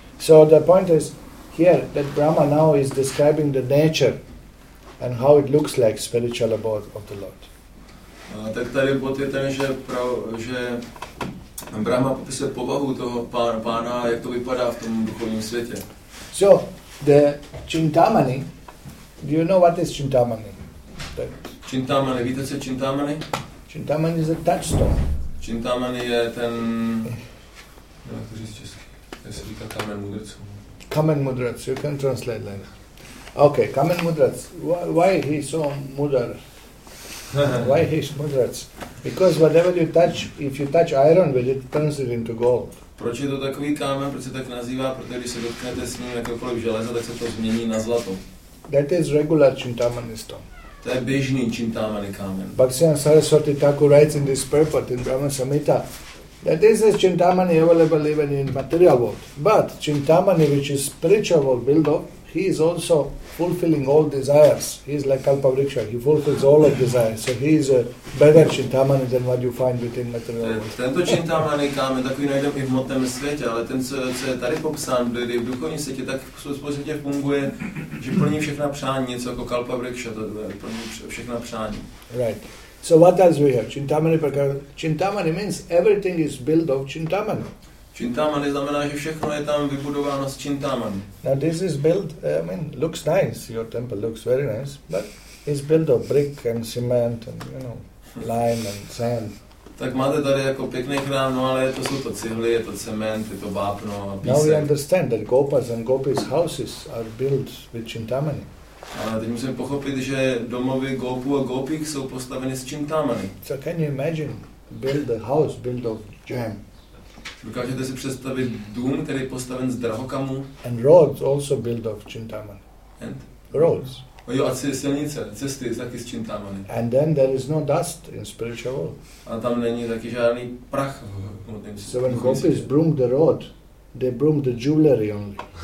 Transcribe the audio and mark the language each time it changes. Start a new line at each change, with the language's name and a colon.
English: So the point is here that Brahma now is describing the nature and how it looks like spiritual abode of the Lord.
Czech: Tak tady bod je ten, že Brahma popisuje povahu toho pána, jak to vypadá v tom duchovním světě.
English: So, the Chintamani, do you know what is Chintamani?
Czech: Chintamani, víte, co je Chintamani?
English: Chintamani is a touchstone.
Czech: Chintamani je ten, jak to říct česky, jak se říká kamen mudrců. Kamen mudrců,
English: you can translate like that. Okay,
Czech: kamen mudrců,
English: why he so mudr? Why he's mudrats? Because whatever you touch, if you touch iron with it, turns it into gold.
Czech: Proč je to takový kámen, proč se tak nazývá? Protože když se dotknete s ním jakékoliv železa, tak se to změní na zlato.
English: That is regular Chintamani stone.
Czech: To je běžný Chintamani kámen.
English: Bhaktisiddhanta Saraswati Thakur writes in this purport in Brahma Samhita that is a Chintamani available even in material world. But Chintamani, which is spiritual world builder, he is also fulfilling all desires. He is like Kalpavriksha. He fulfills all of desires. So he is a better Chintamani than what you find within material world.
Czech: Tento Chintamani kámen takový najdeme i v hmotném světě, ale ten, co je tady popsán, kdy v duchovním světě, tak v spolupředě funguje, že plní všechna přání, něco jako Kalpavriksha, to plní všechna přání.
English: Right. So what else we have? Chintamani prakara. Chintamani means everything is built of Chintamani.
Czech: Chintamani znamená, že všechno je tam vybudováno s Chintamani.
English: Now this is built, I mean, looks nice, your temple looks very nice, but it's built of brick and cement and, you know, lime and sand.
Czech: Tak máte tady jako pěkný chrám, no ale jsou to cihly, je to cement, je to vápno a písek.
English: Now we understand that Gopas and Gopis houses are built with Chintamani.
Czech: A teď musíme pochopit, že domovy Gopu a Gopik jsou postaveny s Chintamani.
English: So can you imagine, build a house built of jam?
Czech: Dokážete si představit dům, který je postaven z drahokamu?
English: And roads also built of Chintamani. And? Roads.
Czech: Oh, jo, a silnice, cesty taky z Chintamani.
English: And then there is no dust in spiritual world.
Czech: A tam není taky žádný prach.
English: So when Gopis broomed the road, they broomed the jewelry only.